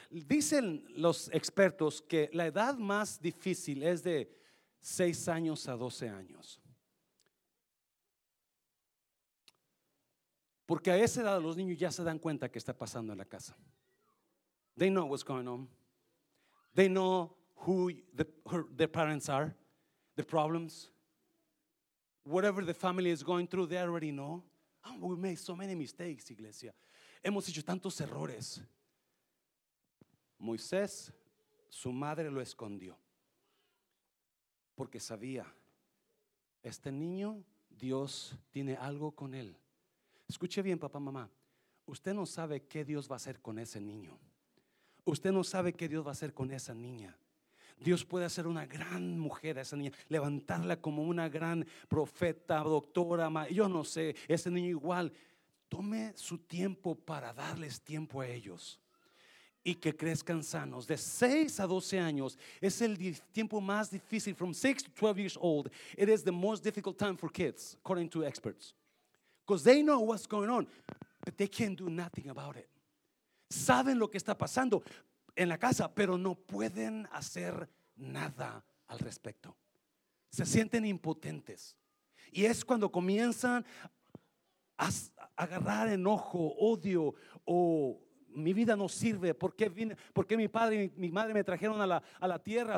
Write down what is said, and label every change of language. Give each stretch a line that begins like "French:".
Spanish: Dicen los expertos que la edad más difícil es de 6 años a 12 años. Porque a esa edad los niños ya se dan cuenta que está pasando en la casa.
English: They know what's going on. They know who their parents are, the problems. Whatever the family is going through, they already know. Oh, we made so many mistakes, iglesia.
Spanish: Hemos hecho tantos errores. Moisés, su madre lo escondió. Porque sabía, este niño, Dios tiene algo con él. Escuche bien, papá, mamá, usted no sabe qué Dios va a hacer con ese niño. Usted no sabe qué Dios va a hacer con esa niña. Dios puede hacer una gran mujer a esa niña, levantarla como una gran profeta, doctora, yo no sé, ese niño igual. Tome su tiempo para darles tiempo a ellos y que crezcan sanos. De 6 a 12 años es el tiempo más difícil.
English: From 6 to 12 years old, it is the most difficult time for kids, according to experts, because they know what's going on, but they can't do nothing about it.
Spanish: Saben lo que está pasando en la casa, pero no pueden hacer nada al respecto. Se sienten impotentes. Y es cuando comienzan a agarrar enojo, odio, o mi vida no sirve, ¿por qué mi padre y mi madre me trajeron a la tierra?